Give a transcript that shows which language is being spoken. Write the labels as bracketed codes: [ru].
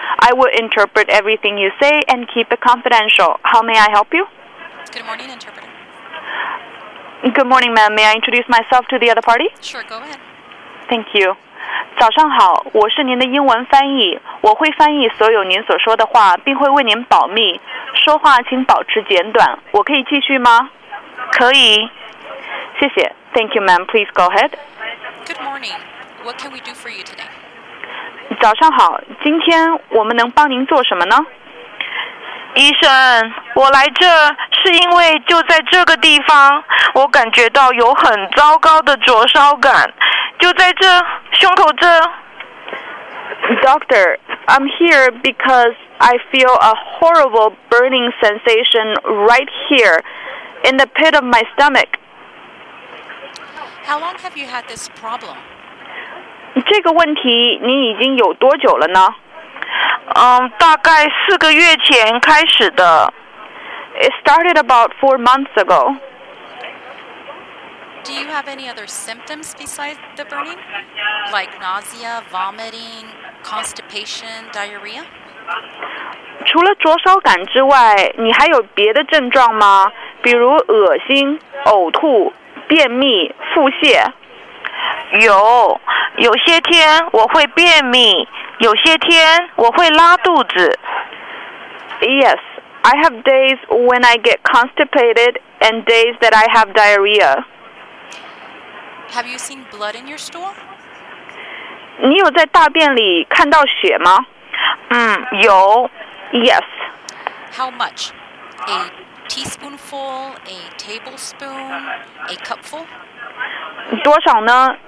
[en] I will interpret everything you say and keep it confidential. How may I help you? Good morning, interpreter. Good morning, ma'am. May I introduce myself to the other party? Sure, go ahead. Thank you. [zh] 早上好，我是您的英文翻译，我会翻译所有您所说的话，并会为您保密。说话请保持简短，我可以继续吗？可以。谢谢。 [en] Thank you, ma'am. Please go ahead. Good morning. What can we do for you today? [zh] 早上好，今天我们能帮您做什么呢？医生，我来这是因为就在这个地方，我感觉到有很糟糕的灼烧感，就在这，胸口这。 [en] Doctor, I'm here because I feel a horrible burning sensation right here in the pit of my stomach. How long have you had this problem? [zh] 这个问题你已经有多久了呢？大概四个月前开始的。 [en] It started about 4 months ago. Do you have any other symptoms besides the burning? Like nausea, vomiting, constipation, diarrhea? [zh] 除了灼烧感之外，你还有别的症状吗？比如恶心、呕吐。便秘、腹泻，有些天我会便秘，有些天我会拉肚子。 [en] Yes, I have days when I get constipated and days that I have diarrhea. Have you seen blood in your stool? [zh] 你有在大便里看到血吗？有。 [en] Yes. How much? A teaspoonful, a tablespoon, a cupful? [zh] 多少呢？